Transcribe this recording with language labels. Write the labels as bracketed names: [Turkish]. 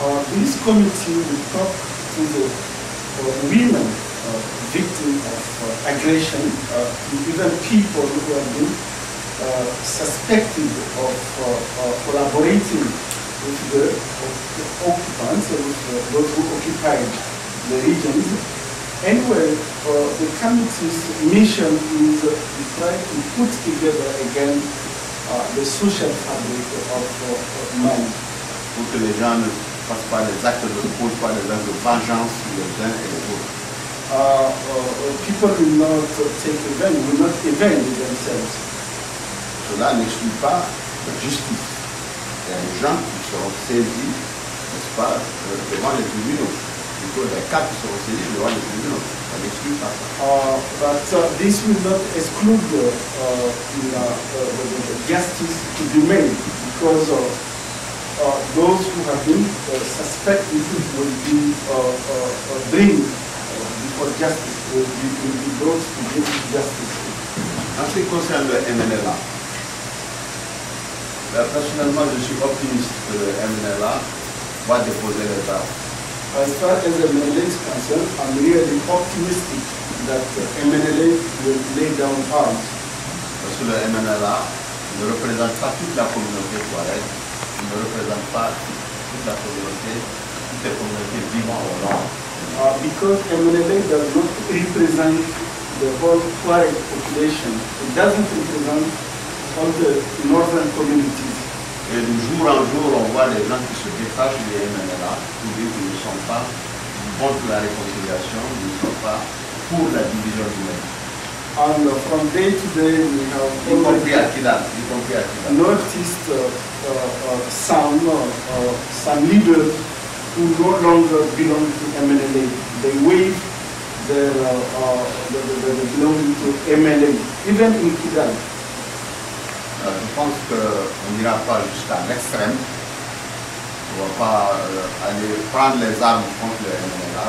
[English] This committee will talk to the women victims of aggression, even people who have been suspected of collaborating with the occupants, with those who occupied the region. Anyway, the committee's mission is to try to put together again the social fabric of Mali. [French] Pour que les gens ne fassent pas les actes de poule, pas les actes de vengeance, les uns et les autres. [English] People will not take revenge, will not avenge themselves. [French] Cela n'exclut pas la justice. Il y a des gens qui seront saisis, n'est-ce pas, devant les tribunaux. [English] But this will not exclude the justice to be made, because those who have been suspected will be blamed before justice, will be brought to give justice. [French] En ce qui concerne le MNLA, personnellement je suis optimiste que le MNLA va déposer les armes. [English] As far as the MNLA is concerned, I'm really optimistic that the MNLA will lay down arms. [French] Parce que le MNLA ne représente pas toute la communauté Touareg, il ne représente pas toute la communauté, toutes les communautés vivant au nord. [English] Because MNLA does not represent the whole Touareg population, it doesn't represent all the northern communities. [French] Et de jour en jour, on voit les gens qui se détachent du MNLA pour dire qu'ils ne sont pas contre la réconciliation, ils ne sont pas pour la division du même. [English] And from day to day, we have noticed some leaders who no longer belong to MNLA. They waive their belonging to MNLA, even in Kidal. [French] Je pense qu'on n'ira pas jusqu'à l'extrême. On ne va pas aller prendre les armes contre les MNLA.